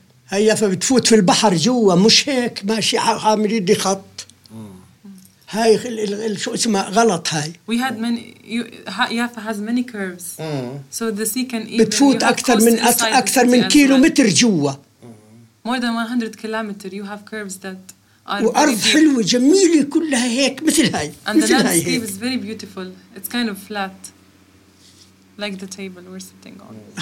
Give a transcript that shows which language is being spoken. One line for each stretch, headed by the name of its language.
Arabic: هاي يافا بتفوت في البحر جوا مش هيك ماشي عامل يدي خط هاي شو اسمها غلط هاي
English: we had many يافا has many curves so the sea can even
Arabic: بتفوت أكثر من أكثر من كيلو متر جوا
English: more than 100 kilometers you have curves that are
Arabic: وأرض حلوة جميلة كلها هيك مثل هاي
English: and the landscape is very beautiful it's kind of flat like the table we're sitting on